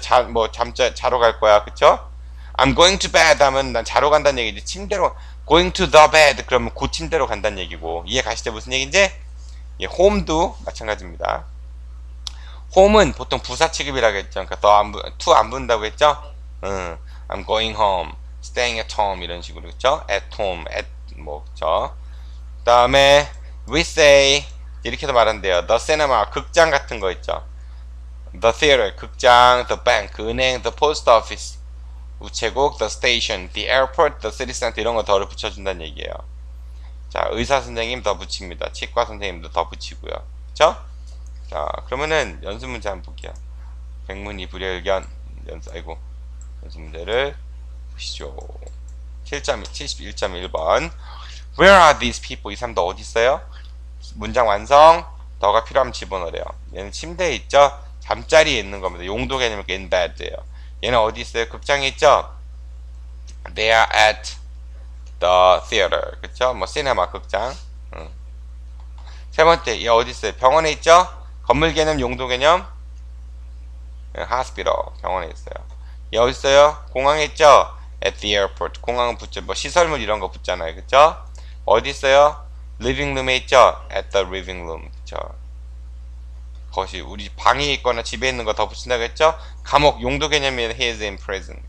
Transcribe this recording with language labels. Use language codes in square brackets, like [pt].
[ko] 자러 갈 거야, 그쵸? [en] I'm going to bed [ko] 하면 난 자러 간다는 얘기지. 침대로, [en] going to the bed [ko] 그러면 그 침대로 간다는 얘기고. 이해 가시죠? 무슨 얘기인지? 예, home도 마찬가지입니다. home은 보통 부사 취급이라고 했죠. 그러니까 to 안 붙는다고 했죠? [en] I'm going home, staying at home [ko] 이런 식으로, 그쵸? [en] at home, at, 뭐, 그쵸? [ko] 그 다음에 [en] we say, [ko] 이렇게도 말한대요. [en] The cinema, [ko] 극장 같은 거 있죠. [en] The theater, 극장, the bank, 은행, the post office, 우체국, the station, the airport, the city center, [ko] 이런 거 더를 붙여준다는 얘기예요. 자, 의사 선생님 더 붙입니다. 치과 선생님도 더 붙이고요. 그쵸? 자, 그러면은 연습 문제 한번 볼게요. 백문이 불여일견, 아이고, 연습 문제를 보시죠. 71.1번. [en] Where are these people? [ko] 이 사람도 어디 있어요? 문장 완성. 너가 필요하면 집어넣으래요. 얘는 침대에 있죠? 잠자리에 있는 겁니다. 용도 개념이 in bed예요. [en] 얘는 어디 있어요? [ko] 극장에 있죠? [en] They are at the theater. 그쵸? [ko] 뭐, 시네마 극장. 세 번째, 얘 어디 있어요? 병원에 있죠? 건물 개념, 용도 개념. 네, hospital. 병원에 있어요. 얘 어디 있어요? 공항에 있죠? [en] at the airport. [ko] 공항은 붙죠. 뭐, 시설물 이런 거 붙잖아요. 그쵸? 어디 있어요? [en] living room에 있죠? at the living room. 그쵸? [ko] 거실, 우리 방에 있거나 집에 있는 거더 붙인다고 했죠? 감옥, 용도 개념이 [en] he is in prison.